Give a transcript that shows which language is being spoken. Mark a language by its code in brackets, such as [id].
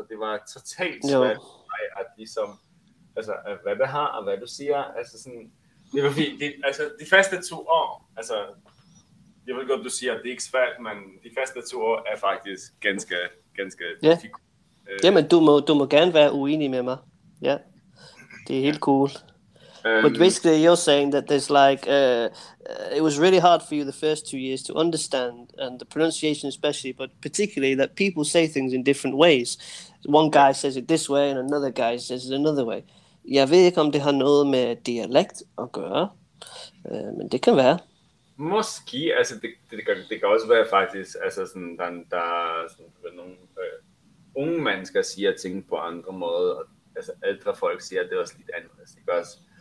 [da] Og det var totalt svært for mig, at ligesom, altså, at hvad det har, og hvad du siger, altså sådan, det var fint, altså, de første to år, altså, jeg ved godt, du siger, at det er ikke svært, men de første to år er faktisk ganske, ganske [en] difficult. [da] Jamen, du må gerne være uenig med mig, ja. Det er helt cool. [en] But basically, you're saying that there's like, it was really hard for you the first 2 years to understand, and the pronunciation especially, but particularly that people say things in different ways. One guy says it this way, and another guy says it another way. [da] Jeg ved ikke om det har noget med dialekt at gøre, men det kan være. Måske, altså det kan også være faktisk, altså sådan, der er nogle unge mennesker siger ting på andre måder, og altså ældre folk siger det også lidt anderledes, ikke også?